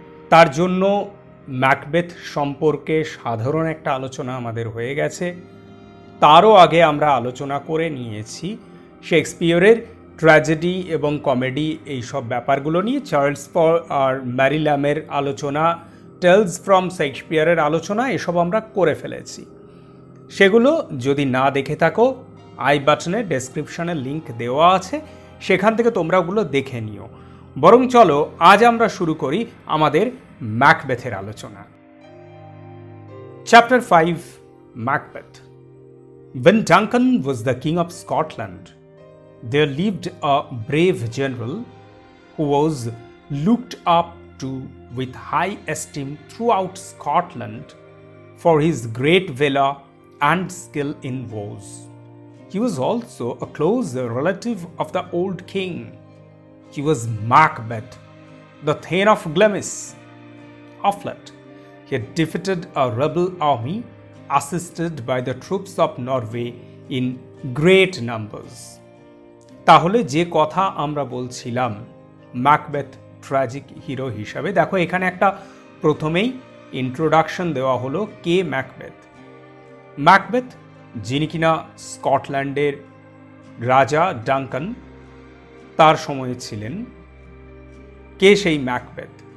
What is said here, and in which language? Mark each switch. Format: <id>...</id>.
<bn>তার জন্য ম্যাকবেথ সম্পর্কে সাধারণ একটা আলোচনা আমাদের হয়ে গেছে, তারও আগে আমরা আলোচনা করে নিয়েছি শেক্সপিয়রের ট্র্যাজেডি এবং কমেডি এই সব ব্যাপারগুলো নিয়ে, চার্লস ফর আর ম্যারি ল্যামের আলোচনা, টেলস ফ্রম শেক্সপিয়রের আলোচনা, এসব আমরা করে ফেলেছি। সেগুলো যদি না দেখে থাকো, আই বাটনে ডেসক্রিপশনে লিংক দেওয়া আছে, সেখান থেকে তোমরা ওগুলো দেখে নিও। বরং চলো আজ আমরা শুরু করি আমাদের ম্যাকবেথের আলোচনা।</bn> <en>Chapter 5, Macbeth. When Duncan was the king of Scotland, there lived a brave general who was looked up to with high esteem throughout Scotland for his great valor and skill in wars. He was also a close relative of the old king. He was Macbeth, the Thane of Glamis. Of late, he had defeated a rebel army assisted by the troops of Norway in great numbers.</en> <bn>তাহলে যে কথা আমরা বলছিলাম Macbeth tragic hero হিসাবে, দেখো এখানে একটা প্রথমেই ইন্ট্রোডাকশন দেওয়া হলো কে ম্যাকবেথ। ম্যাকবেথ, যিনি কিনা স্কটল্যান্ডের রাজা ডাঙ্কান তার সময়ে ছিলেন, কে সেই ম্যাকবেথ?</bn>